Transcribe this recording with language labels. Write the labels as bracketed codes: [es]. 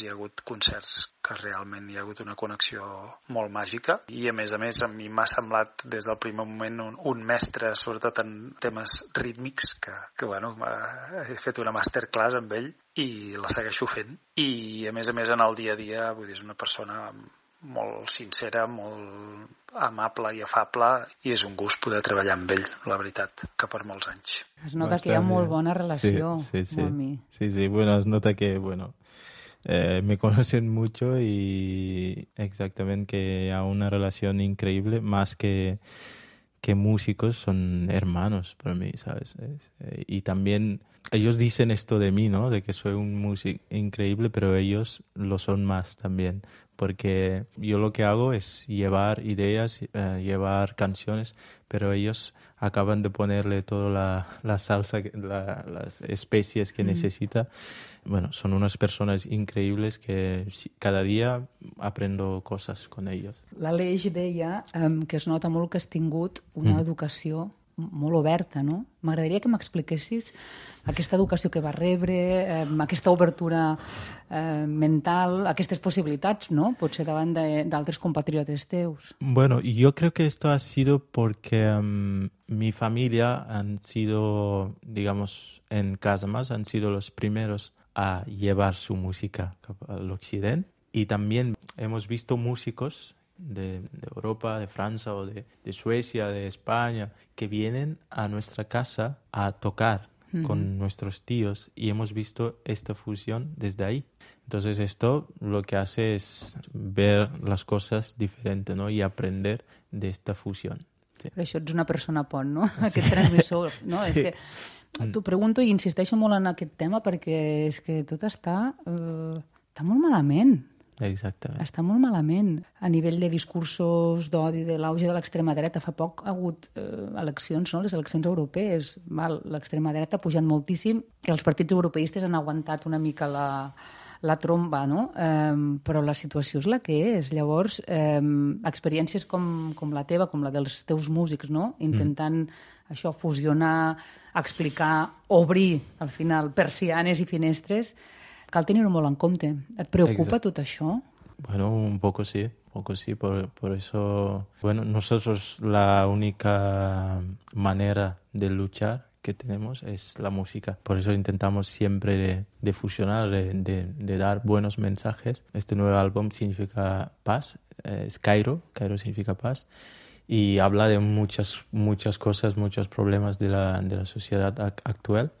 [ca] Hi ha hagut concerts que realment hi ha hagut una connexió molt màgica, i a més a mi m'ha semblat des del primer moment un mestre, sobretot en temes rítmics, que bueno, he fet una masterclass amb ell i la segueixo fent, i a més en el dia a dia, vull dir, és una persona molt sincera, molt amable i afable, i és un gust poder treballar amb ell, la veritat, que per molts anys. Es nota que hi ha molt bona relació amb mi. [es] Sí, bueno, es nota que, bueno, me conocen mucho y exactamente que hay una relación increíble, más que músicos, son hermanos para mí, ¿sabes? Y también ellos dicen esto de mí, ¿no? De que soy un músico increíble, pero ellos lo son más también. Porque yo lo que hago es llevar ideas, llevar canciones, pero ellos acaban de ponerle toda la salsa, las especies que necesita. Bueno, son unas personas increíbles que cada día aprendo cosas con ellos. [ca] L'Aleix deia que es nota molt que has tingut una educació molt oberta, no? M'agradaria que m'expliquessis aquesta educació que vas rebre, aquesta obertura mental, aquestes possibilitats, no? Potser davant d'altres compatriotes teus. [es] Bueno, yo creo que esto ha sido porque mi familia han sido, digamos, en casa más, han sido los primeros a llevar su música al occidente. Y también hemos visto músicos de Europa, de Francia o de Suecia, de España, que vienen a nuestra casa a tocar con nuestros tíos, y hemos visto esta fusión desde ahí. Entonces esto lo que hace es ver las cosas diferente, ¿no?, y aprender de esta fusión. Sí. [ca] Però això, ets una persona pont, no? Sí. Aquest transmissor, no? Sí. És que t'ho pregunto i insisteixo molt en aquest tema, perquè és que tot està molt malament. Exactament. Està molt malament a nivell de discursos d'odi, de l'auge de l'extrema dreta. Fa poc ha hagut eleccions, no?, les eleccions europees. Val, l'extrema dreta ha pujat moltíssim, i els partits europeistes han aguantat una mica la tromba, no? Però la situació és la que és. Llavors, experiències com la teva, com la dels teus músics, no?, intentant això, fusionar, explicar, obrir, al final, persianes i finestres, cal tenir-ho molt en compte. Et preocupa tot això? [es] Bueno, un poco sí. Por eso, bueno, nosotros la única manera de luchar que tenemos es la música. Por eso intentamos siempre de fusionar, de dar buenos mensajes. Este nuevo álbum significa paz, es Cairo, Cairo significa paz, y habla de muchas, muchas cosas, muchos problemas de la sociedad actual.